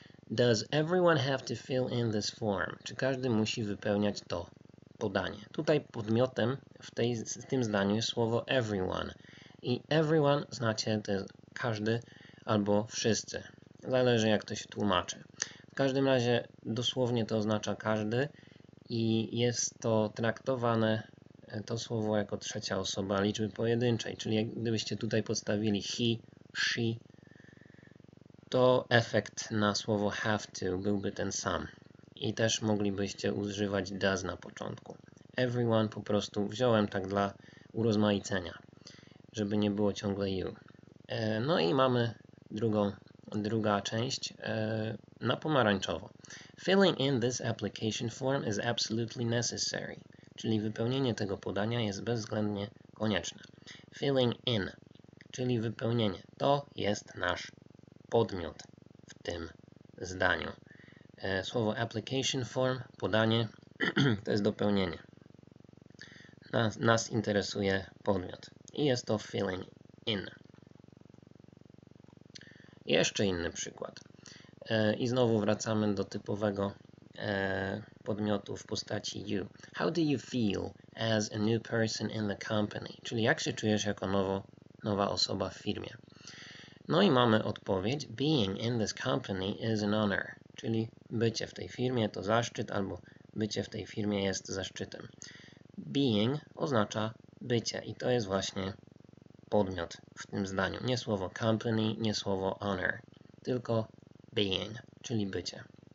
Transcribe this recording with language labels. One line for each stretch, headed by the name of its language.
English: Does everyone have to fill in this form?
Polish: Czy każdy musi wypełniać to podanie? Tutaj podmiotem w tym zdaniu jest słowo everyone. I everyone znacie, to jest każdy albo wszyscy. Zależy, jak to się tłumaczy. W każdym razie dosłownie to oznacza każdy i jest to traktowane, to słowo, jako trzecia osoba liczby pojedynczej. Czyli gdybyście tutaj podstawili he, she, to efekt na słowo have to byłby ten sam. I też moglibyście używać does na początku. Everyone po prostu wziąłem tak dla urozmaicenia, żeby nie było ciągle you. No i mamy druga część na pomarańczowo.
English: Filling in this application form is absolutely necessary.
Polish: Czyli wypełnienie tego podania jest bezwzględnie konieczne. Filling in, czyli wypełnienie. To jest nasz podmiot w tym zdaniu. Słowo application form, podanie, to jest dopełnienie. Nas interesuje podmiot. I jest to filling in. Jeszcze inny przykład. I znowu wracamy do typowego podmiotu w postaci you.
English: How do you feel as a new person in the company?
Polish: Czyli jak się czujesz jako nowa osoba w firmie? No i mamy odpowiedź.
English: Being in this company is an honor.
Polish: Czyli bycie w tej firmie to zaszczyt, albo bycie w tej firmie jest zaszczytem. Being oznacza bycie i to jest właśnie podmiot w tym zdaniu. Nie słowo company, nie słowo honor, tylko being, czyli bycie.